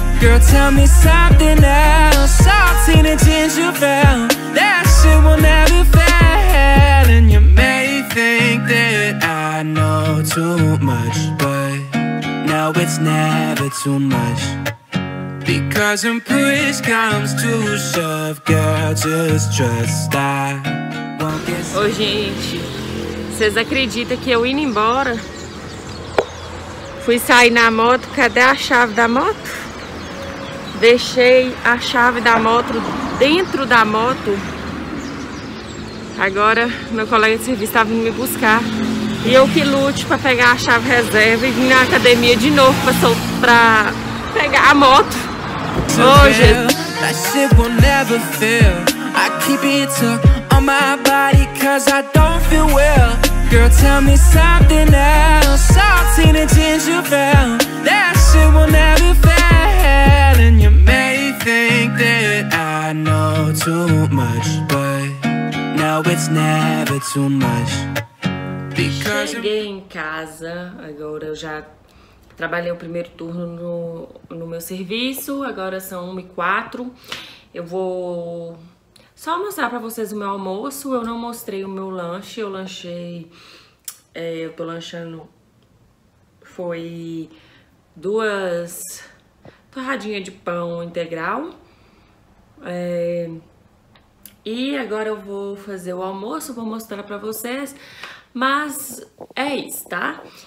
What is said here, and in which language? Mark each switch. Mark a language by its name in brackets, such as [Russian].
[English] Girl, tell me something else. Saltine and ginger ale, that shit will never fail. And you may think that I know too much, but now it's never too much. Because when push comes to shove, girl, just trust I. [Portuguese] Ô, gente, vocês acreditam que eu indo embora fui sair na moto, cadê a chave da moto? Deixei a chave da moto dentro da moto. Agora meu colega de serviço tá vindo me buscar e eu que lute pra pegar a chave reserva e vim na academia de novo pra pegar a moto. Ô, gente, [English] I keep it tucked on my body cause I don't feel well. Girl, tell me something else. Saltine and ginger ale, that shit will never fail. And you may think that I know too much, but now it's never too much. Because [Portuguese] cheguei em casa, agora eu já trabalhei o primeiro turno no meu serviço. Agora são 1h04. Eu vou... só mostrar pra vocês o meu almoço, eu não mostrei o meu lanche, eu lanchei, eu tô lanchando, foi duas torradinhas de pão integral, e agora eu vou fazer o almoço, vou mostrar pra vocês, mas é isso, tá?